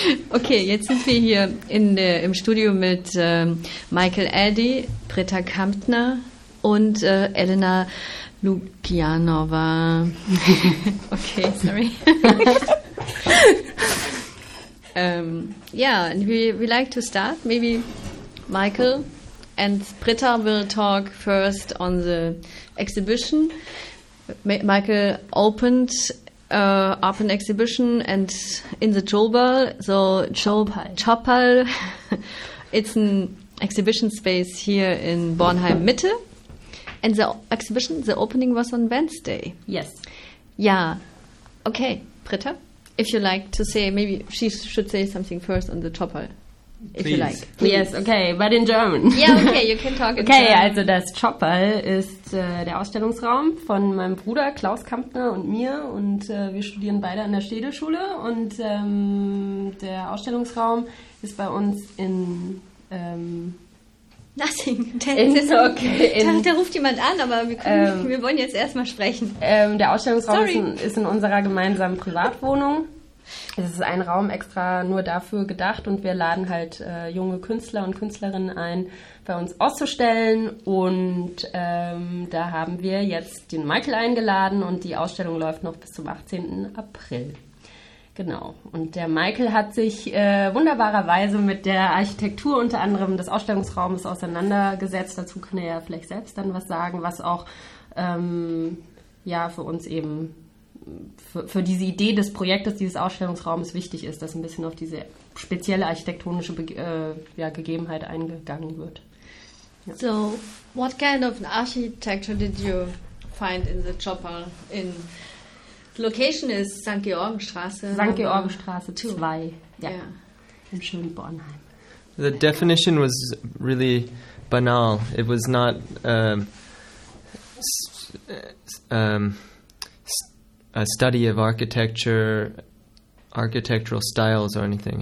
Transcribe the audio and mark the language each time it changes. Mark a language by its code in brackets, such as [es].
[de] Okay, jetzt sind wir hier im Studio mit Michael Addy, Britta Kampner und Elena Lukianova. [en] Okay, sorry. we like to start, maybe Michael and Britta will talk first on the exhibition. Michael opened an exhibition and in the Chopal, so Chopal, it's an exhibition space here in Bornheim Mitte. And the exhibition, the opening was on Wednesday. Yes. Yeah. Okay, Britta, if you like to say, maybe she should say something first on the Chopal. Please. Yes, okay, but in German. Yeah, okay, you can talk in okay, German. [de] Okay, also das Chopal ist der Ausstellungsraum von meinem Bruder Klaus Kampner und mir. Und wir studieren beide an der Städelschule. Und der Ausstellungsraum ist bei uns in... [en] Nothing. [de] Da ruft jemand an, aber wir wollen jetzt erstmal sprechen. Der Ausstellungsraum ist in unserer gemeinsamen Privatwohnung. Es ist ein Raum extra nur dafür gedacht und wir laden halt junge Künstler und Künstlerinnen ein, bei uns auszustellen. Und da haben wir jetzt den Michael eingeladen und die Ausstellung läuft noch bis zum 18. April. Genau. Und der Michael hat sich wunderbarerweise mit der Architektur unter anderem des Ausstellungsraumes auseinandergesetzt. Dazu kann er ja vielleicht selbst dann was sagen, was auch für uns eben... Für diese Idee des Projektes, dieses Ausstellungsraums wichtig ist, dass ein bisschen auf diese spezielle architektonische Gegebenheit eingegangen wird. Ja. [en] So, what kind of an architecture did you find in the Chopal? In location is St. Georgenstraße. St. Georgenstraße 2. [de] Ja. Im schönen Bornheim. [en] The definition was really banal. It was not a study of architecture, architectural styles or anything.